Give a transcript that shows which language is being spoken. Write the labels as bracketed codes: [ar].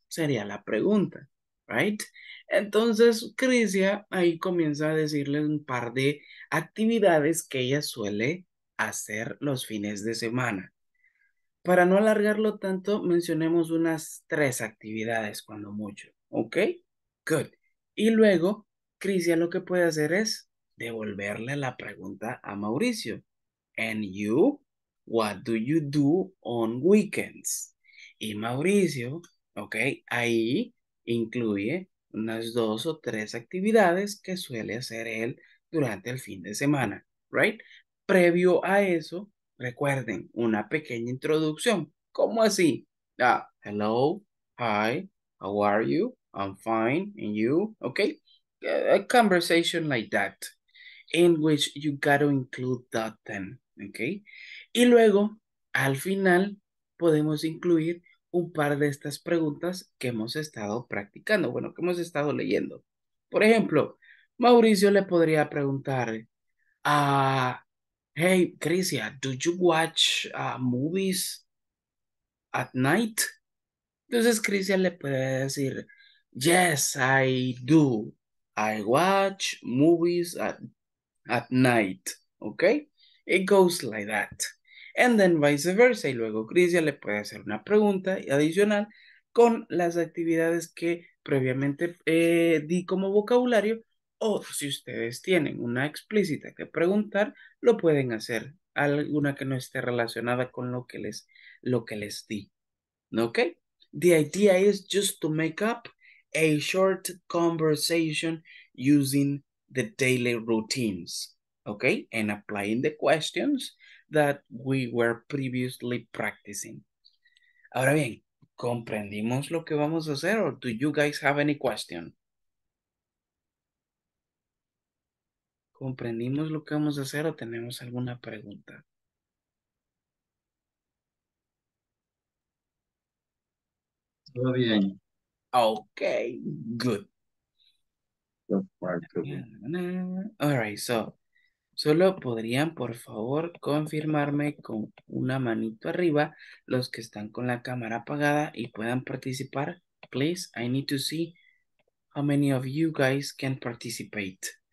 [es] Sería la pregunta, right? Entonces, Crisia ahí comienza a decirle un par de actividades que ella suele hacer los fines de semana. Para no alargarlo tanto, mencionemos unas tres actividades cuando mucho. ¿Ok? Good. Y luego, Crisia lo que puede hacer es devolverle la pregunta a Mauricio. [en] And you, what do you do on weekends? [es] Y Mauricio, ¿ok? Ahí incluye unas dos o tres actividades que suele hacer él durante el fin de semana. ¿Right? Previo a eso, recuerden, una pequeña introducción. ¿Cómo así? [en] Hello, hi, how are you? I'm fine, and you? Okay, a conversation like that, in which you got to include that then, okay? [es] Y luego, al final, podemos incluir un par de estas preguntas que hemos estado practicando, bueno, que hemos estado leyendo. Por ejemplo, Mauricio le podría preguntar, [en] hey, Crisia, do you watch movies at night? [es] Entonces, Crisia le puede decir, [en] yes, I do. I watch movies at night, ¿ok? It goes like that. And then vice versa. [es] Y luego Crisia le puede hacer una pregunta adicional con las actividades que previamente di como vocabulario. O si ustedes tienen una explícita que preguntar, lo pueden hacer. Alguna que no esté relacionada con lo que les di. ¿Ok? [en] The idea is just to make up a short conversation using the daily routines. ¿Ok? And applying the questions that we were previously practicing. [es] Ahora bien, ¿comprendimos lo que vamos a hacer? ¿O [en] do you guys have any question? [es] ¿Comprendimos lo que vamos a hacer o tenemos alguna pregunta? Todo bien. [en] Ok, good. All right, so, [es] solo podrían, por favor, confirmarme con una manito arriba los que están con la cámara apagada y puedan participar. [en] Please, I need to see how many of you guys can participate.